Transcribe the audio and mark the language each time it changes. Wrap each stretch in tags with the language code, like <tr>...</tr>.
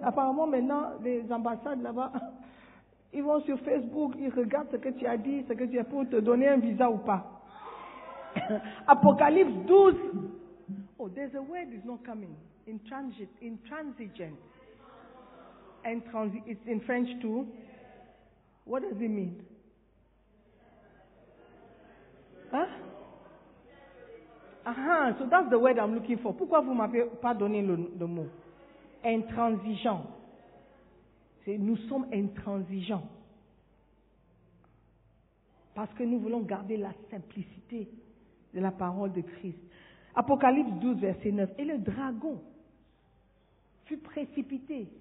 <fr>Apparemment, maintenant, les ambassades là-bas, ils vont sur Facebook, ils regardent ce que tu as dit, ce que tu as pour te donner un visa ou pas. Apocalypse 12.</fr> <en>Oh, there's a word is not coming. Intransigent. It's in French too. What does it mean? Huh? Uh-huh. So that's the word I'm looking for.</en> <fr>Pourquoi vous ne m'avez pas donné le mot? Intransigeant. C'est, nous sommes intransigeants. Parce que nous voulons garder la simplicité de la parole de Christ. Apocalypse 12, verset 9. Et le dragon fut précipité.</fr>